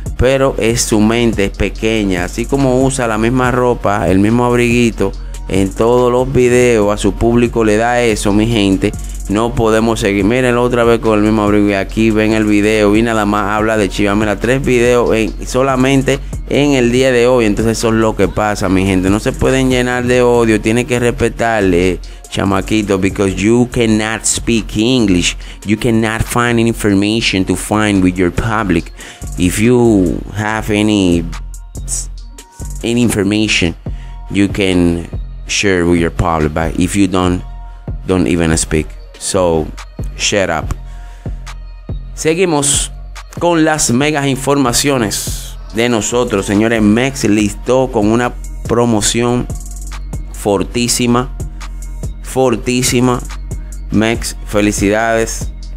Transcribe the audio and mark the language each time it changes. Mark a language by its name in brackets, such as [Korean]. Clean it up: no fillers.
[Spanish] Pero es su mente, es pequeña. Así como usa la misma ropa, el mismo abriguito en todos los videos, a su público le da eso, mi gente. No podemos seguir. Mírenlo otra vez con el mismo abrigo. Y aquí ven el video y nada más habla de Chiva. Mira, 3 videos solamente en el día de hoy. Entonces eso es lo que pasa, mi gente. No se pueden llenar de odio. Tienen que respetarle, chamaquito. [English] Because you cannot speak English. You cannot find information to find with your public. If you have any information, you can share with your public. But if you don't even speak. So, shut up. [Spanish] Seguimos con las megas informaciones de nosotros. Señores, MEX listó con una promoción fortísima. Fortísima. MEX, felicidades.